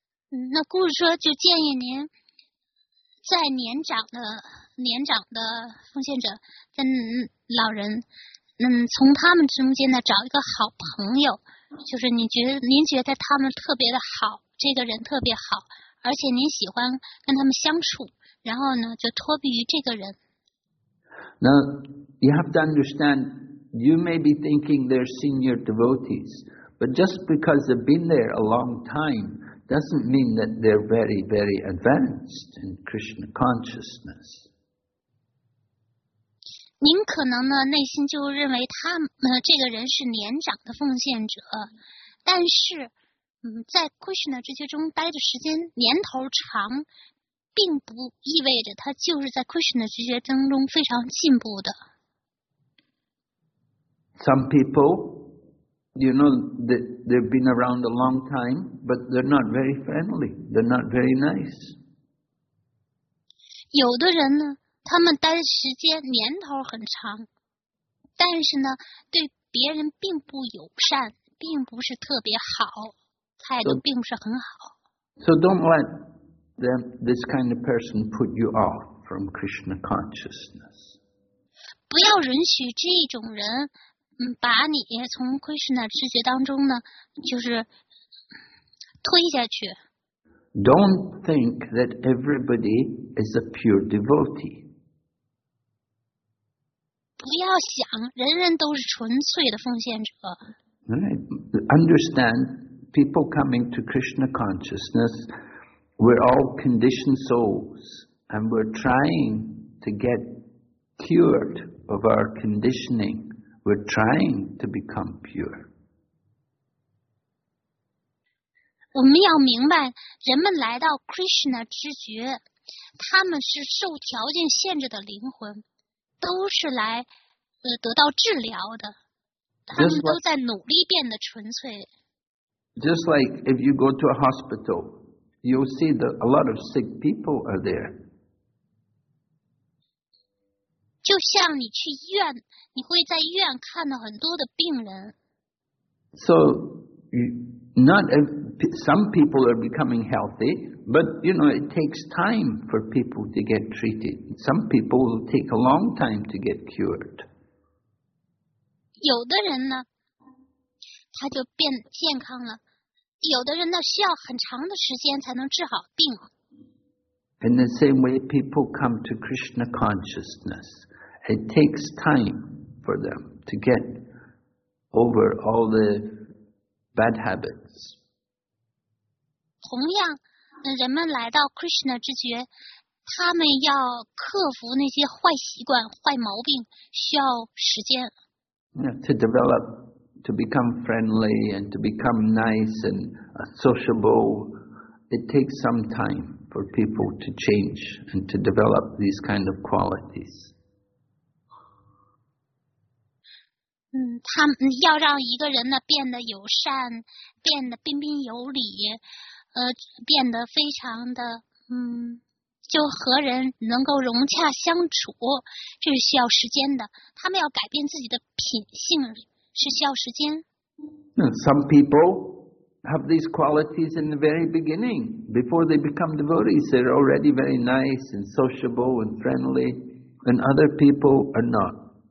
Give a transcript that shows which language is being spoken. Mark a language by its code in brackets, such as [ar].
[zh] 那故事说，就建议您在年长的奉献者，在老人，从他们中间呢找一个好朋友，就是您觉得他们特别的好，这个人特别好，而且您喜欢跟他们相处，然后呢就脱避于这个人。 [en] Now you have to understand, you may be thinking they're senior devotees, but just because they've been there a long time. Doesn't mean that they're very, very advanced in Krishna consciousness. [zh] 您可能呢内心就认为他们这个人是年长的奉献者，但是在 Krishna 之觉中待的时间年头长，并不意味着他就是在 Krishna 之觉当中非常进步的。 [en] Some people. You know, they've been around a long time, but they're not very friendly. They're not very nice. [zh] 有的人呢，他们待的时间年头很长，但是呢，对别人并不友善，并不是特别好，态度并不是很好。 [en] So don't let this kind of person put you off from Krishna consciousness. [zh] 不要允许这种人。把你从 Krishna 知觉当中呢，就是推下去。 [en] Don't think that everybody is a pure devotee. [zh] 不要想人人都是纯粹的奉献者。 [en] Understand people coming to Krishna consciousness, we're all conditioned souls, and we're trying to get cured of our conditioning. We're trying to become pure. [zh] 我们要明白，人们来到 Krishna 知觉，他们是受条件限制的灵魂，都是来得到治疗的，他们都在努力变得纯粹。 [en] Just like if you go to a hospital, you'll see that a lot of sick people are there. [zh] 就像你去医院，你会在医院看到很多的病人。 [en] So, not some people are becoming healthy, But, you know, it takes time for people to get treated. Some people will take a long time to get cured. [zh] 有的人呢，他就变健康了。有的人呢，需要很长的时间才能治好病。 [en] In the same way, people come to Krishna consciousness. It takes time for them to get over all the bad habits. [zh] 同样，人们来到 Krishna 之觉，他们要克服那些坏习惯、坏毛病，需要时间。 [en] To develop, to become friendly and to become nice and sociable, it takes some time for people to change and to develop these kind of qualities. [zh] 他们要让一个人呢变得友善，变得彬彬有礼，变得非常的就和人能够融洽相处，这是需要时间的。他们要改变自己的品性，是需要时间。 [en] Some people have these qualities in the very beginning. Before they become devotees, they're already very nice and sociable and friendly, and other people are not.